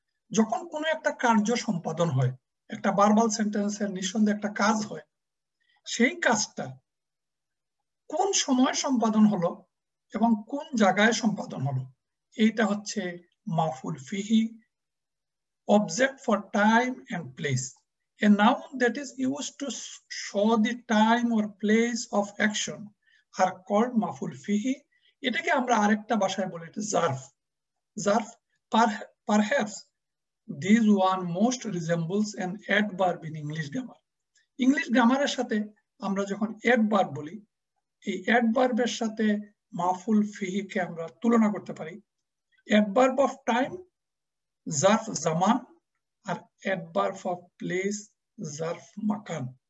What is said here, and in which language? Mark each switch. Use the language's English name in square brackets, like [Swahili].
[Bangla] যখন কোনো একটা কার্য সম্পাদন হয়, একটা বারবাল সেন্টেন্সের নিঃসন্দেহে একটা কাজ হয়, সেই কাজটা কোন সময় সম্পাদন হলো এবং কোন জায়গায় সম্পাদন হলো এইটা হচ্ছে মাফুল ফিহি, [English] Object for time and place. A noun that is used to show the time or place of action are called maful fihi. [Bangla] এটাকে আমরা আরেকটা ভাষায় বলি জার্ফ। জার্ফ, [English] perhaps this one most resembles an adverb in English grammar. [Bangla] English grammar এর সাথে আমরা যখন adverb বলি, এই adverb এর সাথে maful fihi কে আমরা তুলনা করতে পারি। [English] Adverb of time, [Bangla] জার্ফ Zaman, আর [English] adverb of place [Bangla] জার্ফ Makaan.